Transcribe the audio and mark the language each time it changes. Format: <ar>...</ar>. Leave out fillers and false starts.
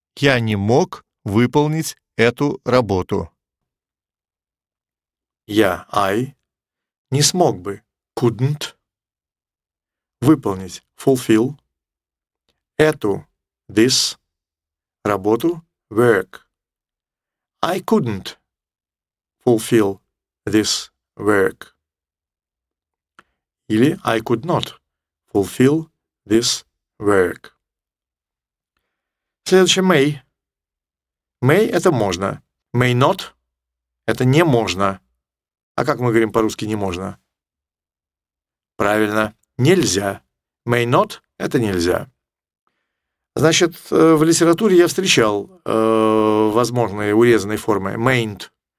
<ru>я не мог выполнить эту работу. Я, I, не смог бы, couldn't, выполнить, fulfill, эту, this, работу, work.</ru> <en>I couldn't fulfill this work. Или I could not fulfill this work.</en> <ru>Следующее, may. May – это можно.</ru> <en>May not</en> <ru>– это не можно. А как мы говорим по-русски «не можно»? Правильно, нельзя.</ru> <en>May not</en> <ru>– это нельзя. Значит, в литературе я встречал возможные урезанные формы «mayn't».</ru>